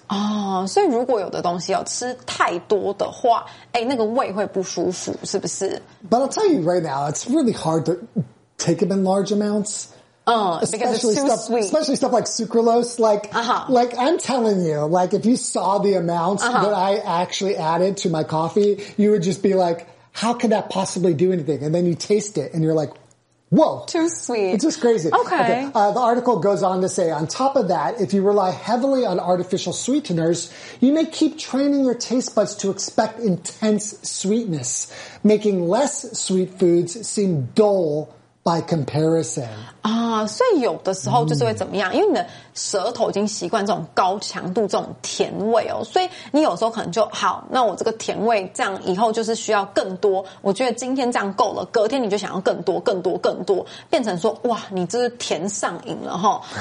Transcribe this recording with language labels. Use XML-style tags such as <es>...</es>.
<zh>Oh, so 如果有的东西要吃太多的话，哎，那个胃会不舒服，是不是？</zh> <en>But I'll tell you right now, it's really hard to take them in large amounts. Especially stuff like sucralose, like I'm telling you, like if you saw the amounts that I actually added to my coffee, you would just be like, how could that possibly do anything? And then you taste it and you're like, Whoa. Too sweet. It's just crazy. Okay. The article goes on to say, on top of that, if you rely heavily on artificial sweeteners, you may keep training your taste buds to expect intense sweetness, making less sweet foods seem dull by comparison.</en> <zh>所以有的时候就是会怎么样？因为你的舌头已经习惯这种高强度这种甜味哦，所以你有时候可能就好，那我这个甜味这样以后就是需要更多，我觉得今天这样够了，隔天你就想要更多更多更多，变成说哇你这是甜上瘾了齁。</zh>